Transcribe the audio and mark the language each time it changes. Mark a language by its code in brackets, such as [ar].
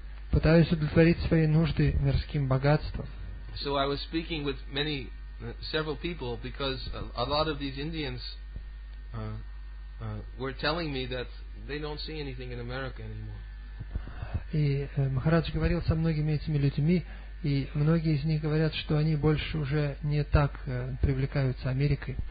[ru] Пытаясь удовлетворить свои нужды мирским богатством. [en] So I was speaking with many, several people, because a lot of these Indians were telling me that they don't see anything in America anymore. [ru] И Махарадж говорил со многими этими людьми, и многие из них говорят, что они больше уже не так привлекаются Америкой.